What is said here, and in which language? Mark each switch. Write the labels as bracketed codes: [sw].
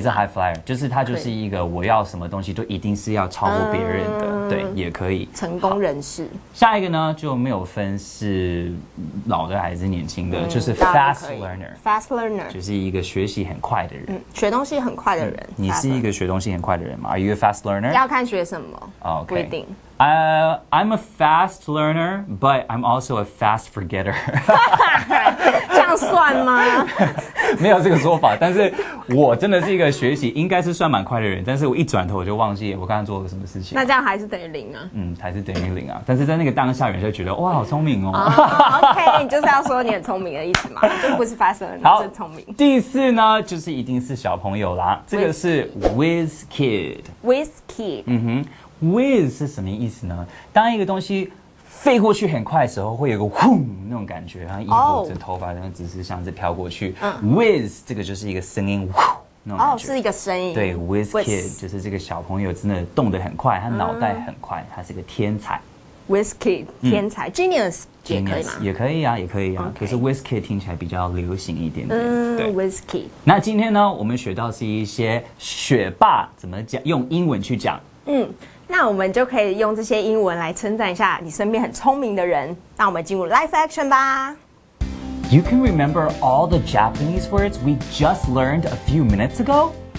[zh] 是 high flyer， 就是他就是一个我要什么东西都一定是要超过别人的，对，也可以成功人士。下一个呢就没有分是老的还是年轻的，就是 fast learner， 就是一个学习很快的人，学东西很快的人。你是一个学东西很快的人吗？ [en] Are you a fast learner？ [zh] 要看学生。 [en] Okay. I'm a fast learner, but I'm also a fast forgetter. [zh] 这样算吗？没有这个说法，但是我真的是一个学习应该是算蛮快的人，但是我一转头我就忘记我刚刚做了什么事情。那这样还是等于零啊？还是等于零啊。但是在那个当下，人就觉得哇，好聪明哦。 OK， 你就是要说你很聪明的意思嘛，就不是 fast learner， 是聪明。第四呢，就是一定是小朋友啦。这个是 whiz kid。 [en] whiz kid。 [zh] whiz 是什么意思呢？当一个东西飞过去很快的时候会有个轰那种感觉，然后衣服这头发这样只是像是飘过去。 Whiz 这个就是一个声音，呼那种感觉。是一个声音。对 ，Whiz kid 就是这个小朋友真的动得很快，他脑袋很快，他是个天才。 Whiz kid 天才 genius 也可以吗？ Genius, 也可以啊，也可以啊。Okay. 可是 Whiz kid 听起来比较流行一点点。 [en] Whiz kid。 [zh] 那今天呢，我们学到是一些学霸怎么讲，用英文去讲。那我们就可以用这些英文来称赞一下你身边很聪明的人。那我们进入 live action 吧。 [en] You can remember all the Japanese words we just learned a few minutes ago?